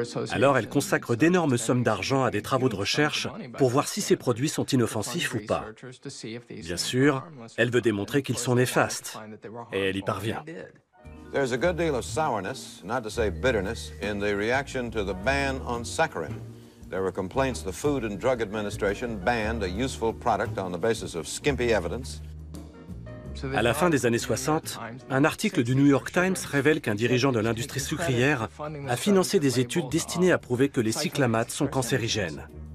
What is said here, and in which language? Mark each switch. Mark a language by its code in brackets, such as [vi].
[fr] Alors elle consacre d'énormes sommes d'argent à des travaux de recherche pour voir si ces produits sont inoffensifs ou pas. Bien sûr, elle veut démontrer qu'ils sont néfastes, et elle y parvient. [en] There's a good deal of sourness, not to say bitterness, in the reaction to the ban on saccharin. There were complaints the Food and Drug Administration banned a useful product on the basis of skimpy evidence. [fr] À la fin des années 60, un article du New York Times révèle qu'un dirigeant de l'industrie sucrière a financé des études destinées à prouver que les cyclamates sont cancérigènes.